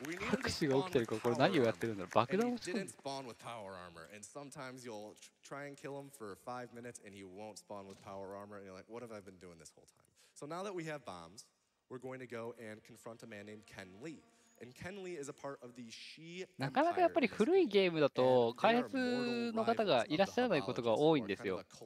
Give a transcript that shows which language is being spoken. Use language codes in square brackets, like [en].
[ja] 拍手が起きてるか、これ何をやってるんだろう、爆弾を作るんだろう。 [en] With power armor, and sometimes you'll try and kill him for 5 minutes and he won't spawn with power armor, and you're like, what have I been doing this whole time? So now that we have bombs, we're going to go and confront a man named Ken Lee. And Ken Lee is a part of the Shi Empire. [ja] なかなかやっぱり古いゲームだと開発の方がいらっしゃらないことが多いんですよ。